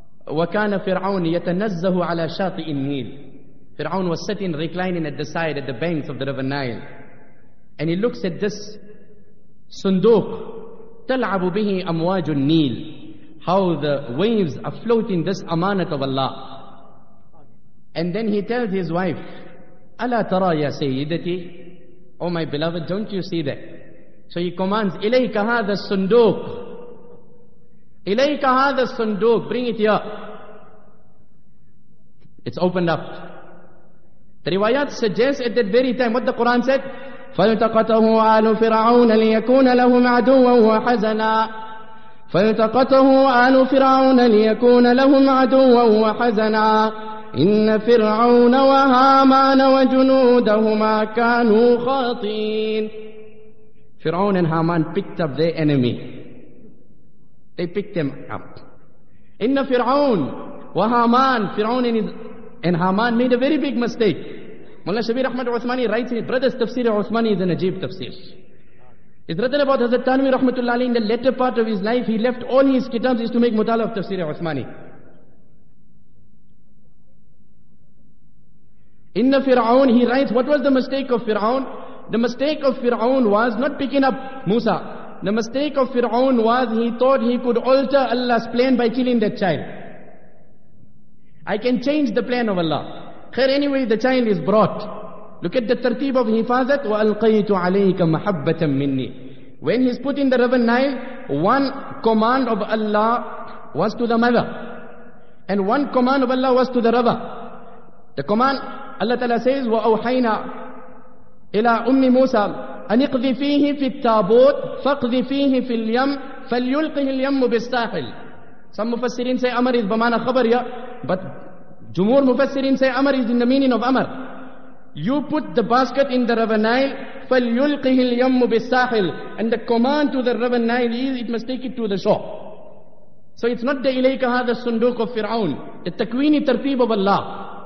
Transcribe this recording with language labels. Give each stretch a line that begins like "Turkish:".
Arabic: وكان فرعون يتنزه على شاطئ النيل.
English: Fir'aun was sitting reclining at the side at the banks of the river Nile, and he looks at this sunduk
Arabic: تلعب به أمواج النيل,
English: how the waves are floating this amanat of Allah. And then he tells his wife,
Arabic: ألا ترى يا سيدتي,
English: oh my beloved, don't you see that? So he commands,
Arabic: إليك هذا الصندوق, إليك هذا الصندوق,
English: bring it here. It's opened up. The riwayat suggests at that very time, what the Quran said,
Arabic: فالتقطه آل فرعون ليكون لهم عدوا وحزنا, فالتقطه آل فرعون ليكون لهم عدوا وحزنا, إن فرعون وهامان وجنودهما كانوا خاطئين.
English: Fir'aun and Haman picked up their enemy. They picked them up.
Arabic: إن فرعون وهامان,
English: Fir'aun and Haman made a very big mistake. Mullah Shabir Ahmad Uthmani writes in his brother's tafsir, Uthmani is an ajib tafsir. His brother about Hazrat Tanwi Rahmatullah Ali, in the latter part of his life, he left all his kitabs is to make mutala of tafsir Uthmani. In the Fir'aun, he writes, what was the mistake of Fir'aun? The mistake of Fir'aun was not picking up Musa. The mistake of Fir'aun was he thought he could alter Allah's plan by killing that child. I can change the plan of Allah. Khair, anyway, the child is brought. Look at the tartib of hifazat.
Arabic: وَأَلْقَيْتُ عَلَيْكَ مَحَبَّةً مِّنِّي.
English: When he's put in the river Nile, one command of Allah was to the mother, and one command of Allah was to the river. The command, Allah Ta'ala says,
Arabic: وَأَوْحَيْنَا إِلَىٰ أُمِّ مُوسَىٰ أَنْ اِقْذِ فِيهِ فِي التَّابُوتِ فَاقْذِ فِيهِ فِي الْيَمِّ فَلْيُلْقِهِ الْيَمُّ بِالسَّاحِلِ.
English: Some mufassirin say Amr is bamana khabar ya, but jumhur mufassirin say Amr is in the meaning of Amr. You put the basket in the river Nile,
Arabic: فَلْيُلْقِهِ الْيَمُّ بِالسَّاحِلِ,
English: and the command to the river Nile is it must take it to the shore. So it's not the
Arabic: إليك هذا الصندوق
English: of Fir'aun, the takwini tartib of Allah.